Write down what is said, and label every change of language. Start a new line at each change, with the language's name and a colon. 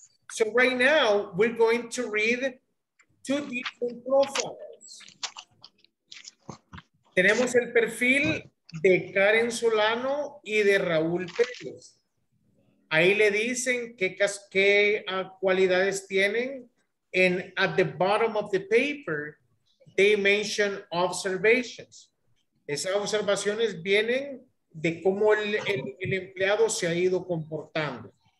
English: So right now we're going to read two different profiles.
Spanish: Tenemos el perfil de Karen Solano y de Raúl Pérez. Ahí le dicen qué cualidades tienen.
English: And at the bottom of the paper, they mention observations.
Spanish: Esas observaciones vienen de cómo el empleado se ha ido comportando.